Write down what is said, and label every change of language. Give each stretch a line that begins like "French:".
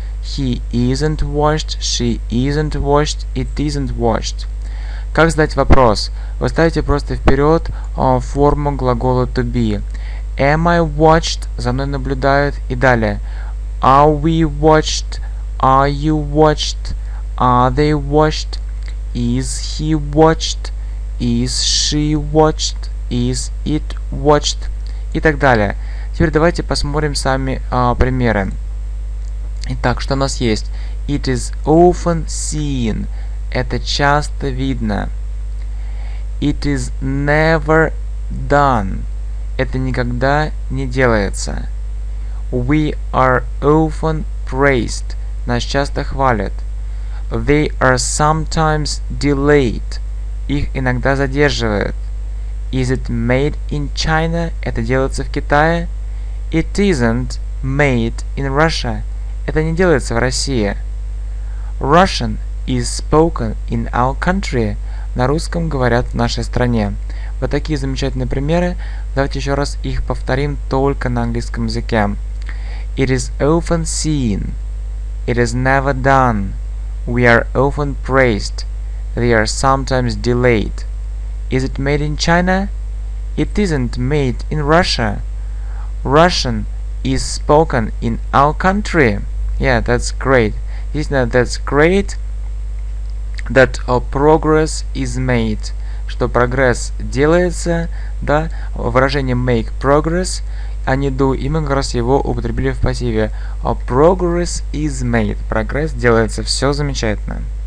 English: He isn't watched, she isn't watched, it isn't watched.
Russian: Как задать вопрос? Вы ставите просто вперед форму глагола to be.
English: Am I watched?
Russian: За мной наблюдают. И далее.
English: Are we watched? Are you watched? Are they watched? Is he watched? Is she watched? Is it watched?
Russian: И так далее. Теперь давайте посмотрим сами примеры. Итак, что у нас есть?
English: It is often seen.
Russian: Это часто видно.
English: It is never done.
Russian: Это никогда не делается.
English: We are often praised.
Russian: Нас часто хвалят.
English: They are sometimes delayed.
Russian: Их иногда задерживают.
English: Is it made in China?
Russian: Это делается в Китае?
English: It isn't made in Russia.
Russian: Это не делается в России.
English: Russian is spoken in our country.
Russian: На русском говорят в нашей стране. Вот такие замечательные примеры. Давайте еще раз их повторим только на английском языке.
English: It is often seen. It is never done. We are often praised. They are sometimes delayed. Is it made in China? It isn't made in Russia. Russian is spoken in our country. Yeah, that's great.
Russian: Действительно,
English: that's great that progress is made.
Russian: Что прогресс делается, да, выражение make progress, а не do, и мы как раз его употребили в пассиве.
English: Progress is made.
Russian: Прогресс делается, все замечательно.